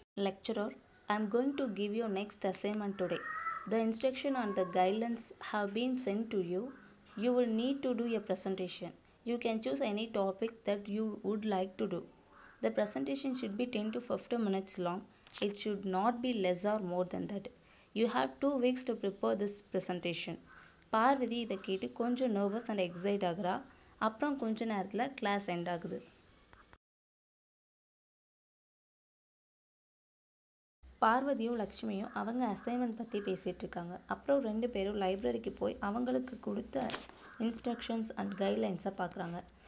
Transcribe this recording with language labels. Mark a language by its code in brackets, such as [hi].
[en] Lecturer, I am going to give you next assignment today. The instruction and the guidelines have been sent to you. You will need to do a presentation. You can choose any topic that you would like to do. The presentation should be 10 to 15 minutes long. It should not be less or more than that. You have 2 weeks to prepare this presentation. [ta] Parvati இதை கேட்டு கொஞ்சம் nervous and excite ஆகுறா. அப்புறம் கொஞ்ச நேரத்தில் class end ஆகுது. பார்வதியும் லக்ஷ்மியும் அவங்க அசைன்மெண்ட் பற்றி பேசிகிட்டு இருக்காங்க. அப்புறம் ரெண்டு பேரும் லைப்ரரிக்கு போய் அவங்களுக்கு கொடுத்த இன்ஸ்ட்ரக்ஷன்ஸ் அண்ட் கைட்லைன்ஸை பார்க்குறாங்க.